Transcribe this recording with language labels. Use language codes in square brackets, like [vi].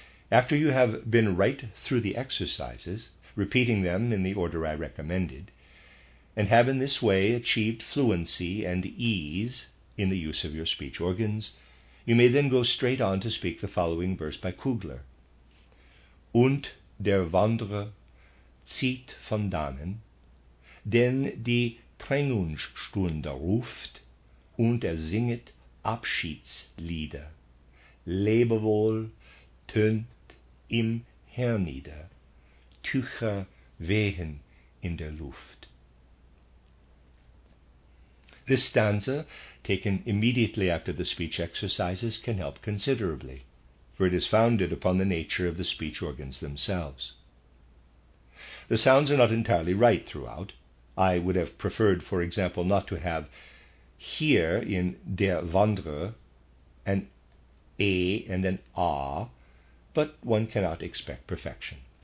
[en] After you have been right through the exercises, repeating them in the order I recommended, and have in this way achieved fluency and ease in the use of your speech organs, you may then go straight on to speak the following verse by Kugler. [de] Und der Wanderer zieht von dannen, denn die Trennungsstunde ruft, und singet Abschiedslieder. Lebe wohl, tönt im hernieder, Tücher wehen in der Luft. [en] This stanza, taken immediately after the speech exercises, can help considerably, for it is founded upon the nature of the speech organs themselves. The sounds are not entirely right throughout. I would have preferred, for example, not to have here in [de] der Wanderer [en] an A and an A, but one cannot expect perfection.